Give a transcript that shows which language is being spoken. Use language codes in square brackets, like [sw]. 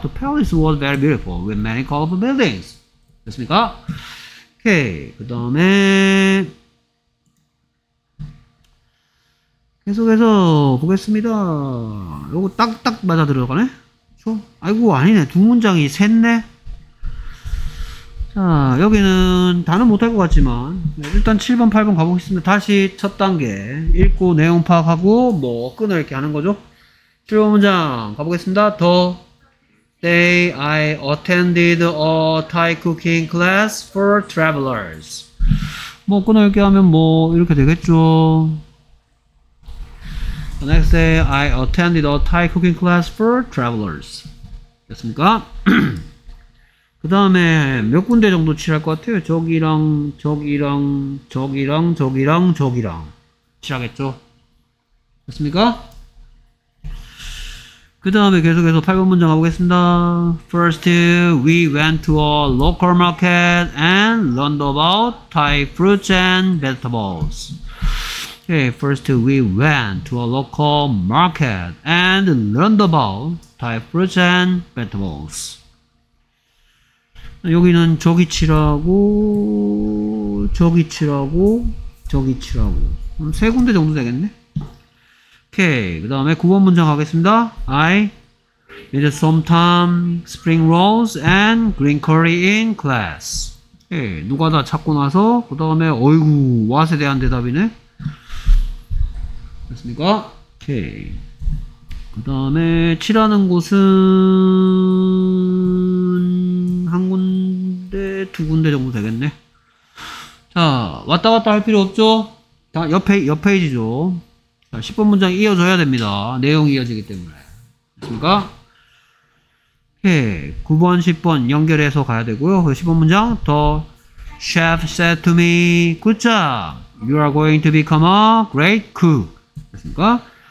[en] The palace was very beautiful with many colorful buildings. [ko] 됐습니까? 오케이. 그 다음에 계속해서 보겠습니다. 요거 딱딱 맞아 들어가네? 그쵸? 아이고, 아니네. 두 문장이 샜네? 자, 여기는 단어 못할 것 같지만, 일단 7번, 8번 가보겠습니다. 다시 첫 단계. 읽고 내용 파악하고, 뭐, 끊어 이렇게 하는 거죠. 7번 문장 가보겠습니다. [en] The day I attended a Thai cooking class for travelers. [ko] 뭐, 끊어 이렇게 하면 뭐, 이렇게 되겠죠. [en] The next day I attended a Thai cooking class for travelers. [ko] 됐습니까? 그 다음에 몇 군데 정도 칠할 것 같아요? 저기랑, 저기랑, 저기랑, 저기랑, 저기랑. 칠하겠죠? 됐습니까? 그 다음에 계속해서 8번 문장 가보겠습니다. [en] First, we went to a local market and learned about Thai fruits and vegetables. Okay, first, we went to a local market and learned about Thai fruits and vegetables. [ko] 여기는 저기 칠하고, 저기 칠하고, 저기 칠하고. 세 군데 정도 되겠네? 오케이. 그 다음에 9번 문장 가겠습니다. [en] I made some time spring rolls and green curry in class. [ko] 오케이. 누가 다 찾고 나서, 그 다음에, 어이구, what에 대한 대답이네? 됐습니까? 오케이. 그 다음에 칠하는 곳은 한 군데, 두 군데 정도 되겠네. 자, 왔다 갔다 할 필요 없죠? 다 옆 페이지죠. 자, 10번 문장 이어져야 됩니다. 내용이 이어지기 때문에. 됐습니까? 오케이. 9번, 10번 연결해서 가야 되고요. 10번 문장. [en] The chef said to me, good job. You are going to become a great cook. [ko] 됐습니까?